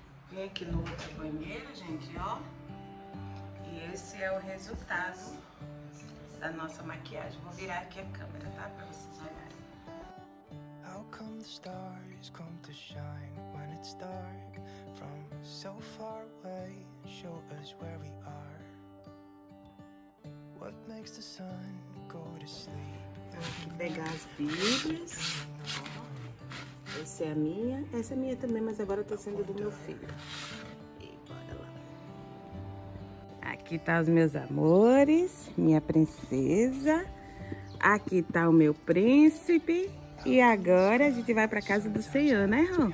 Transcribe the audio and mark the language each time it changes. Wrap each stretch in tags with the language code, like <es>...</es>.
<pt>Vem aqui no outro banheiro, gente, ó. E esse é o resultado da nossa maquiagem. Vou virar aqui a câmera, tá? Pra vocês olharem.</pt> <en>How come the stars come to shine when it's dark from so far away? Show us where we are. What makes the sun go to sleep?</en> <pt>Vou pegar as bíblias. Essa é a minha. Essa é a minha também, mas agora tá sendo do meu filho. E bora lá. Aqui tá os meus amores, minha princesa. Aqui tá o meu príncipe. E agora a gente vai pra casa do Senhor, né, Rô?</pt>